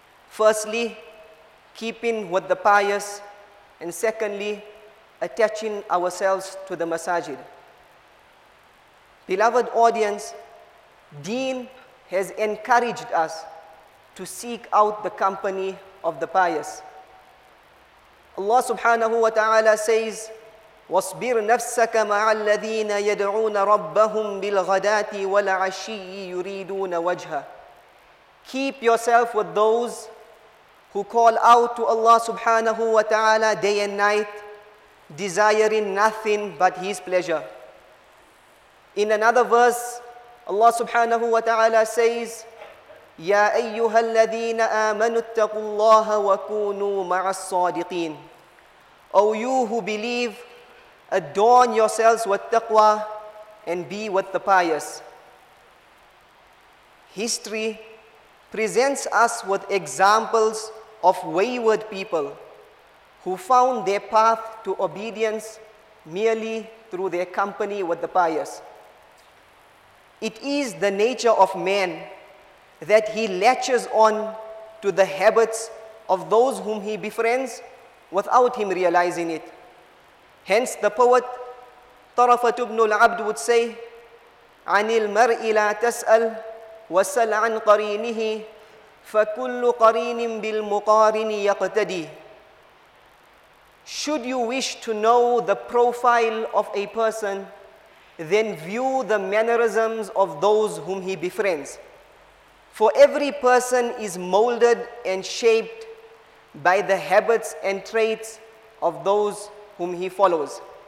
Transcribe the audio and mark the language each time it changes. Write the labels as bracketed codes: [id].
[en] Firstly, keeping with the pious, and secondly, attaching ourselves to the masajid. Beloved audience, Deen has encouraged us to seek out the company of the pious. Allah subhanahu wa ta'ala says, [ar] وَاصْبِرْ نَفْسَكَ مَعَ الَّذِينَ يَدْعُونَ رَبَّهُمْ بِالْغَدَاتِ وَالْعَشِيِّ يُرِيدُونَ وَجْهَهُ. [en] Keep yourself with those who call out to Allah subhanahu wa ta'ala day and night, desiring nothing but His pleasure. In another verse, Allah subhanahu wa ta'ala says, [ar] يَا أَيُّهَا الَّذِينَ آمَنُوا اتَّقُوا اللَّهَ وَكُونُوا مَعَ الصَّادِقِينَ. [en] O you who believe, adorn yourselves with taqwa and be with the pious. History presents us with examples of wayward people who found their path to obedience merely through their company with the pious. It is the nature of man that he latches on to the habits of those whom he befriends without him realizing it. Hence the poet Tarafat ibn al-Abd would say, [ar] عَنِ الْمَرْءِ لَا تَسْأَلْ وَسَلْ عَنْ قَرِينِهِ فَكُلُّ قَرِينٍ بِالْمُقَارِنِ يَقْتَدِي. [en] Should you wish to know the profile of a person, then view the mannerisms of those whom he befriends. For every person is molded and shaped by the habits and traits of those whom he follows.